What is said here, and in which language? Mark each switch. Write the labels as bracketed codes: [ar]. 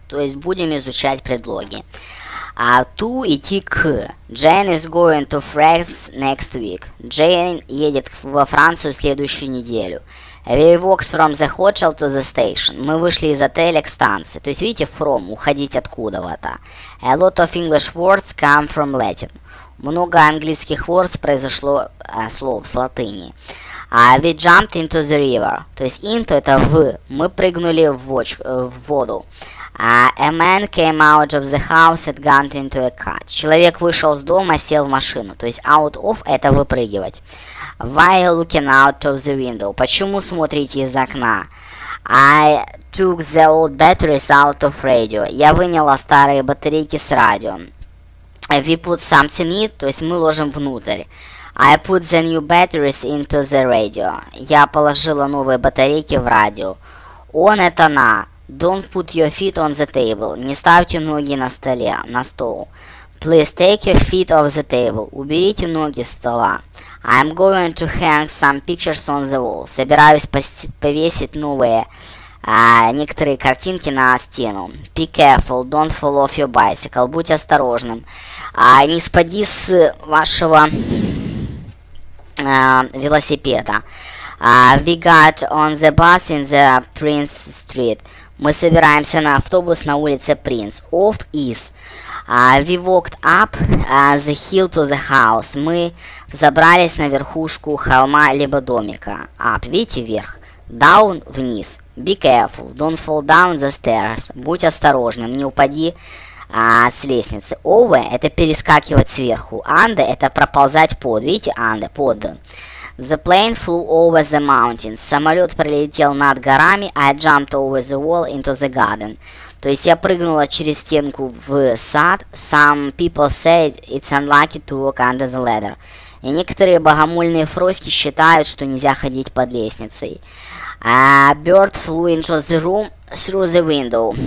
[ru] То есть будем изучать предлоги. А [en] to [ru] идти к. [en] Jane is going to France next week. [ru] Jane едет во Францию следующую неделю. [en] We walked from the hotel to the station. [ru] Мы вышли из отеля к станции. То есть видите, from, уходить откуда-то. [en] A lot of English words come from Latin. [ru] Много английских words произошло слов с латыни. [en] We jumped into the river. [ru] То есть into это в. Мы прыгнули в воду. [en] A man came out of the house and got into a car. [ru] Человек вышел из дома, сел в машину. То есть out of это выпрыгивать. [en] Why are you looking out of the window? [ru] Почему смотрите из окна? [en] I took the old batteries out of radio. [ru] Я выняла старые батарейки с радио. [en] We put something in, [ru] то есть мы ложим внутрь. [en] I put the new batteries into the radio. [ru] Я положила новые батарейки в радио. On это на. [en] Don't put your feet on the table. [ru] Не ставьте ноги на столе, на стол. [en] Please take your feet off the table. [ru] Уберите ноги с стола. [en] I'm going to hang some pictures on the wall. [ru] Собираюсь повесить новые, некоторые картинки на стену. [en] Be careful, don't fall off your bicycle. [ru] Будь осторожным. Не спади с вашего велосипеда. [en] We got on the bus in the Prince Street. [ru] Мы собираемся на автобус на улице Принц. [en] Off is. We walked up the hill to the house. [ru] Мы забрались на верхушку холма либо домика. [en] Up, [ru] видите, вверх. [en] Down, [ru] вниз. [en] Be careful, don't fall down the stairs. [ru] Будь осторожным, не упади с лестницы. Over – это перескакивать сверху. [en] Under – [ru] это проползать под. Видите, [en] under – [ru] под. [en] The plane flew over the mountains. [ru] Самолет пролетел над горами. [en] I jumped over the wall into the garden. [ru] То есть я прыгнула через стенку в сад. [en] Some people say it's unlucky to walk under the ladder. [ru] И некоторые богомольные фроски считают, что нельзя ходить под лестницей. [en] A bird flew into the room through the window.